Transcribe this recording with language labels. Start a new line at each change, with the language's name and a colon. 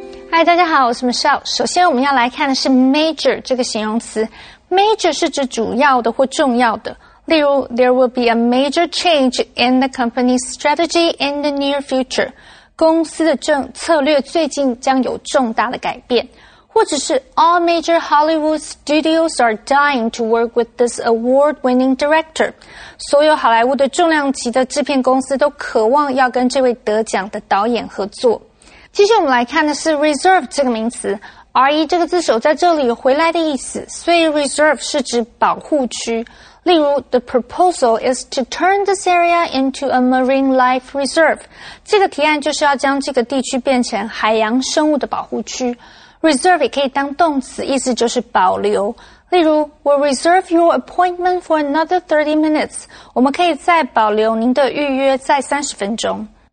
Chinese: Hi, 大家好，我是 Michelle。首先我们要来看的是 major 这个形容词。 Major 是指主要的或重要的。例如
English: ,there will be a major change in the company's strategy in the near future。
Chinese: 公司的策略最近将有重大的改变。或者是
English: ,all major Hollywood studios are dying to work with this award-winning director。
Chinese: 所有好莱坞的重量级的制片公司都渴望要跟这位得奖的导演合作。接下来我们来看的是 reserve 这个名词。RE 这个字首在这里有回来的意思，所以 reserve 是指保护区。例如
English: ,the proposal is to turn this area into a marine life reserve.
Chinese: 这个提案就是要将这个地区变成海洋生物的保护区。 reserve 也可以当动词，意思就是保留。例如
English: ,we'll reserve your appointment for another 30 minutes.
Chinese: 我们可以再保留您的预约再30分钟。